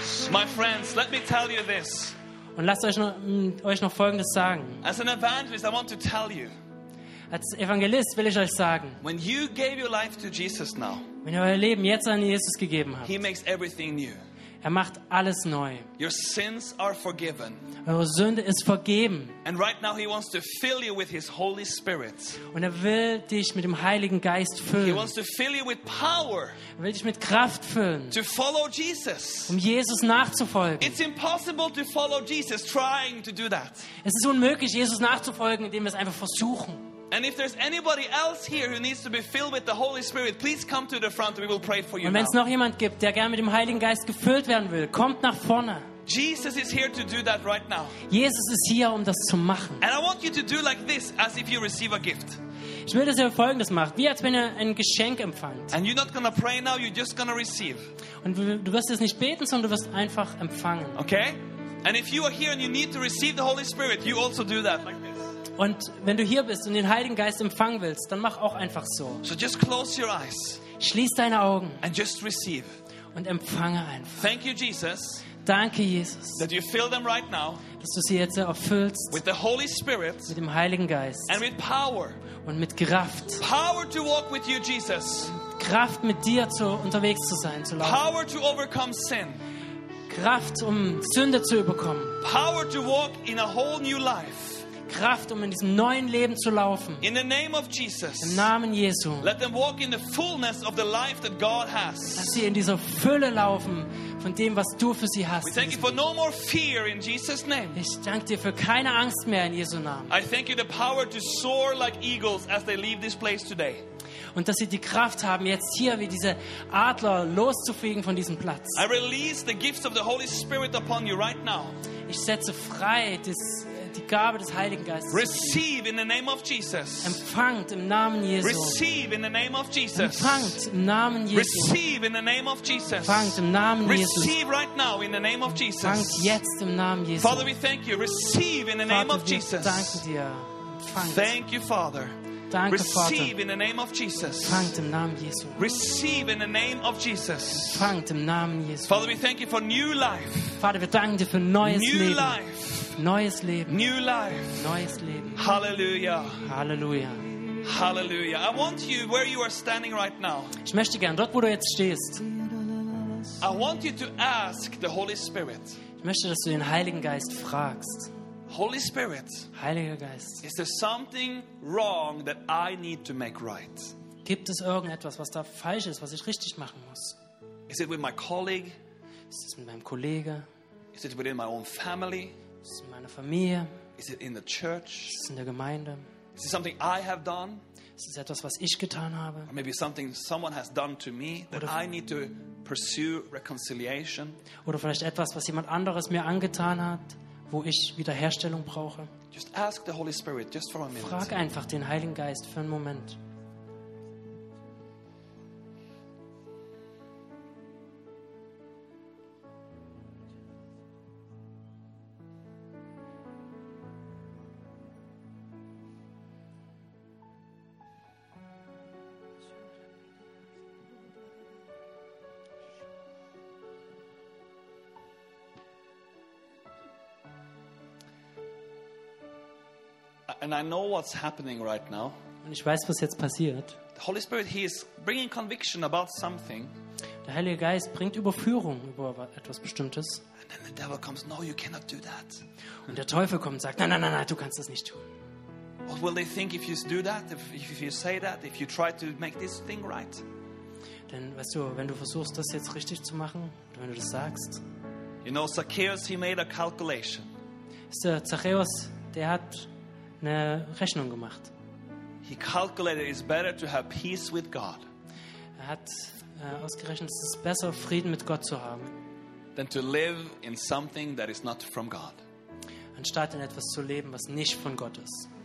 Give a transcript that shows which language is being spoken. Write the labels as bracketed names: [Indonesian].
[English] My friends, let me tell you this. [German] Und lasst euch noch Folgendes sagen. [English] As an evangelist, I want to tell you. [German] Als Evangelist will ich euch sagen. [English] When you gave your life to Jesus now. [German] Wenn ihr euer Leben jetzt an Jesus gegeben habt. [English] He makes everything new. [German] Er macht alles neu. [English] Your sins are forgiven. [German] Eure Sünde ist vergeben. [English] And right now he wants to fill you with his Holy Spirit. [German] Und er will dich mit dem Heiligen Geist füllen. [English] He wants to fill you with power. [German] Er will dich mit Kraft füllen. [English] To follow Jesus. [German] Um Jesus nachzufolgen. [English] It's impossible to follow Jesus trying to do that. [German] Es ist unmöglich, Jesus nachzufolgen, indem wir es einfach versuchen. [English] And if there's anybody else here who needs to be filled with the Holy Spirit, please come to the front. We will pray for you. [German] Und wenn es noch jemand gibt, der gerne mit dem Heiligen Geist gefüllt werden will, kommt nach vorne. [English] Jesus is here to do that right now. [German] Jesus ist hier, um das zu machen. [English] And I want you to do like this, as if you receive a gift. [German] Ich will, dass ihr Folgendes macht, wie als wenn ihr ein Geschenk empfangt. [English] And you're not gonna pray now, you're just gonna receive. [German] Und du wirst jetzt nicht beten, sondern du wirst einfach empfangen. [English] Okay? And if you are here and you need to receive the Holy Spirit, you also do that like this. [German] Und wenn du hier bist und den Heiligen Geist empfangen willst, dann mach auch einfach so. [English] So just close your eyes. [German] Schließ deine Augen. [English] And just receive. [German] Und empfange einfach. [English] Thank you, Jesus. [German] Danke, Jesus. [English] That you fill them right now. [German] Dass du sie jetzt erfüllst. [English] With the Holy Spirit. [German] Mit dem Heiligen Geist. [English] And with power. [German] Und mit Kraft. [English] Power to walk with you, Jesus. [German] Kraft, mit dir zu unterwegs zu sein, zu laufen. [English] Power to overcome sin. [German] Kraft, um Sünde zu überkommen. [English] Power to walk in a whole new life. [German] Kraft, um in diesem neuen Leben zu laufen. [English] In the name of Jesus. [German] Im Namen Jesu. [English] Let them walk in the fullness of the life that God has. [German] Lass sie in dieser Fülle laufen von dem, was du für sie hast. [English] We thank you for no more fear in Jesus' name. [German] Ich danke dir für keine Angst mehr in Jesu Namen. [English] I thank you the power to soar like eagles as they leave this place today. [German] Und dass sie die Kraft haben, jetzt hier wie diese Adler loszufliegen von diesem Platz. [English] I release the gifts of the Holy Spirit upon you right now. [German] Ich setze frei das die Gabe des Heiligen Geistes. [English] Receive in the name of Jesus. [German] Empfangt im Namen Jesu. [English] Receive in the name of Jesus. [German] Empfangt im Namen Jesu. [English] Receive in the name of Jesus. [German] Empfangt im Namen Jesu. [English] Receive right now in the name of Jesus. [German] Empfangt jetzt im Namen Jesu. [English] Father, we thank you. Receive in the name of Jesus. [German] Danke dir. Empfangt. [English] Thank you, Father. [German] Danke, [English] receive in the name of Jesus. [German] Empfangt im Namen Jesu. [English] Receive in the name of Jesus. [German] Empfangt im Namen Jesu. [English] Father, we thank you for new life. [German] Vater, wir danken dir für neues [English] new [German] Leben. [English] New life. [German] Neues Leben. [English] New life. [German] Neues Leben. Hallelujah. Hallelujah. Hallelujah. [English] I want you where you are standing right now. [German] Ich möchte gern dort, wo du jetzt stehst. [English] I want you to ask the Holy Spirit. [German] Ich möchte, dass du den Heiligen Geist fragst. [English] Holy Spirit, [German] Heiliger Geist, [English] is there something wrong that I need to make right? [German] Gibt es irgendetwas, was da falsch ist, was ich richtig machen muss? [English] Is it with my colleague? [German] Ist es mit meinem Kollege? [English] Is it within my own family? [German] Ist es in meiner Familie? [English] Is it in the church? [German] Ist es in der Gemeinde? [English] Is it something I have done? [German] Ist es etwas, was ich getan habe? [English] Or maybe something someone has done to me that I need to pursue reconciliation? [German] Oder vielleicht etwas, was jemand anderes mir angetan hat, wo ich Wiederherstellung brauche. [English] Just ask the Holy Spirit just for a minute. [German] Frag einfach den Heiligen Geist für einen Moment. [English] And I know what's happening right now. [German] Und ich weiß, was jetzt passiert. [English] The Holy Spirit, he is bringing conviction about something. [German] Der Heilige Geist bringt Überführung über etwas Bestimmtes. [English] And then the devil comes, no, you cannot do that. [German] Und der Teufel kommt und sagt, nein, nein, nein, nein, du kannst das nicht tun. [English] What will they think if you do that, if you say that, if you try to make this thing right? [German] Denn weißt du, wenn du versuchst, das jetzt richtig zu machen, oder wenn du das sagst. [English] You know, Zacchaeus, he made a calculation. [German] Zacchaeus, der hat eine Rechnung gemacht. [English] He calculated it's better to have peace with God. [German] Er hat ausgerechnet, es ist besser, Frieden mit Gott zu haben. [English] Than to live in something that is not from God. [German] Anstatt in etwas zu leben, was nicht von Gott ist.